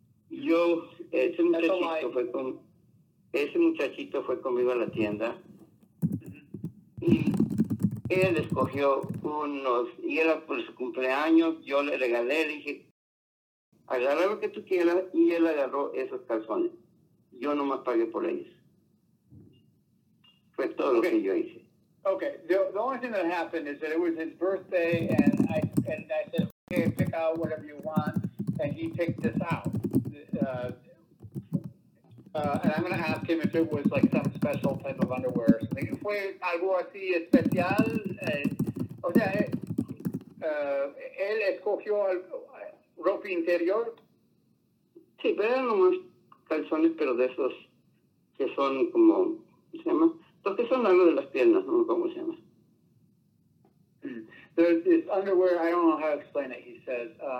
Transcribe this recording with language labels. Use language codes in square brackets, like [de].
[es] Yo, ese muchachito fue conmigo a la tienda y... Él escogió unos, y era por su cumpleaños, yo le regalé, le dije, agarra lo que tú quieras, y él agarró esos calzones. Yo no más pagué por ellos. Fue todo okay. Lo que yo hice. [en] Okay, the only thing that happened is that it was his birthday, and I said, okay, pick out whatever you want, and he picked this out. And I'm going to ask him if it was like some special type of underwear. [es] ¿Fue algo así especial? O sea, ¿él escogió ropa interior? Sí, pero eran unos calzones, pero de esos que son como, ¿cómo se llama? Los que son algo de las piernas, ¿no? ¿Cómo se llama? [en] There's this underwear, I don't know how to explain it, he says.